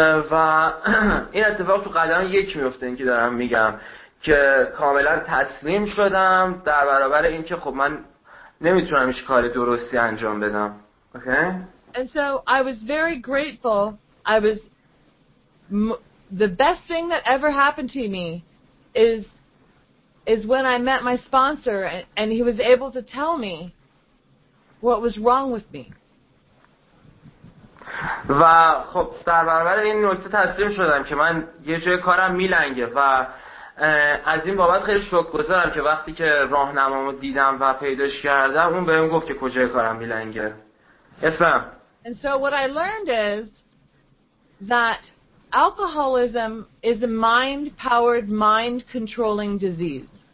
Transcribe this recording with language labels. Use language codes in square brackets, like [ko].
[fa] و این اتفاق تو قدم یک میفته اینکه دارم میگم که کاملا تسلیم شدم در برابر این که خب من نمیتونم هیچ کار درستی انجام بدم. [en] Okay? And so I was very grateful. I was the best thing that ever happened to me is when I met my sponsor and he was able to tell me what was wrong with me. [fa] و خب در برابر این نکته تسلیم شدم که من یه جای کارم میلنگه و از این بابت خیلی شکرگزارم که وقتی که راهنمامو دیدم و پیداش کردم اون بهم گفت که کجای کارم میلنگه. اسمم. [en] And so what I learned is that alcoholism is a mind-powered, mind-controlling disease.